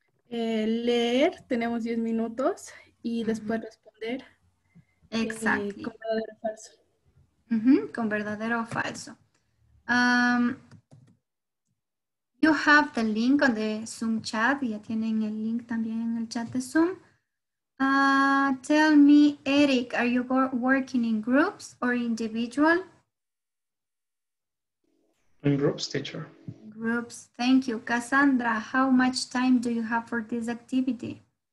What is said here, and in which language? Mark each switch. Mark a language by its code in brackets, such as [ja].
[es] Leer, tenemos 10 minutos. Y después responder. Exacto. Con verdadero o falso. Uh-huh, con verdadero o falso. [en] You have the link on the Zoom chat. [es] Ya tienen el link también en el chat de Zoom. [en] Tell me, Eric, are you working in groups or individual? In groups, teacher. groups. Thank you. Cassandra, how much time do you have for this activity?